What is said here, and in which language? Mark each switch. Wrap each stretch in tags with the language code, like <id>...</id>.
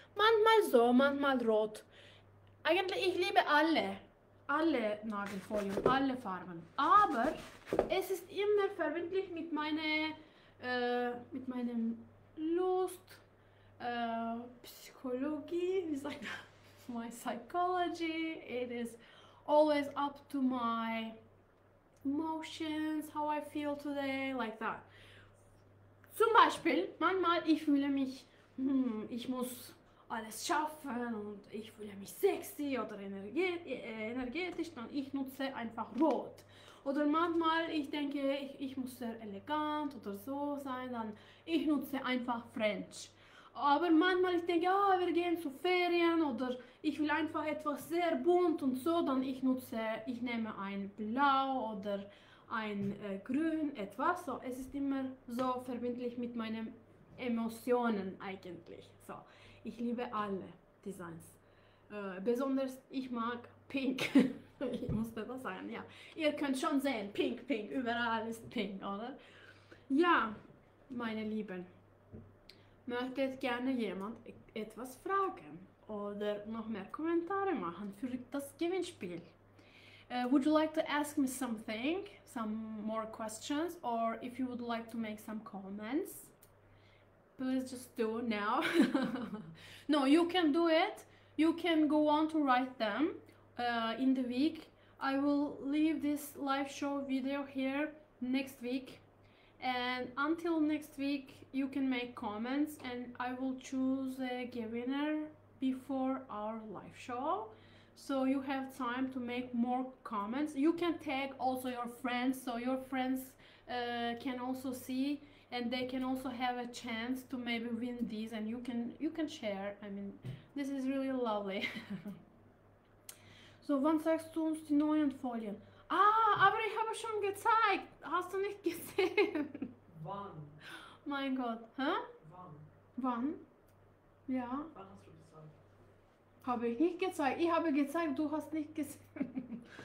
<de>Manchmal so, manchmal rot. Eigentlich, ich liebe alle Nagelfolien, alle Farben. Aber es ist immer verbindlich mit meinem Lust, Psychologie, wie sagt man,</de> <en>my psychology. It is always up to my emotions, how I feel today, like that.</en> <de>Zum Beispiel, manchmal ich fühle mich, ich muss alles schaffen und ich fühle mich sexy oder energetisch, dann ich nutze einfach Rot. Oder manchmal ich denke, ich muss sehr elegant oder so sein, dann ich nutze einfach French. Aber manchmal ich denke, ah, wir gehen zu Ferien oder ich will einfach etwas sehr bunt und so, dann ich nehme ein Blau oder ein Grün, etwas. So, es ist immer so verbindlich mit meinen Emotionen eigentlich. So, ich liebe alle Designs. Besonders ich mag Pink. Ich musste das sagen, ja. Ihr könnt schon sehen, Pink, Pink, überall ist Pink, oder? Ja, meine Lieben. Möchtet gerne jemand etwas fragen oder noch mehr Kommentare machen für das Gewinnspiel?</de> <en>Would you like to ask me something, some more questions, or if you would like to make some comments, please just do now. No, you can do it. You can go on to write them in the week. I will leave this live show video here next week. And until next week, you can make comments and I will choose a winner before our live show. So you have time to make more comments. You can tag also your friends so your friends can also see and they can also have a chance to maybe win these and you can share. I mean, this is really lovely.</en> <de>So, wann zeigst du uns die neuen Folien? Ah, aber ich habe schon gezeigt. Hast du nicht gesehen? Wann? Mein Gott, hä? Wann? Wann? Ja. Wann hast du gezeigt? Habe ich nicht gezeigt. Ich habe gezeigt, du hast nicht gesehen.</de>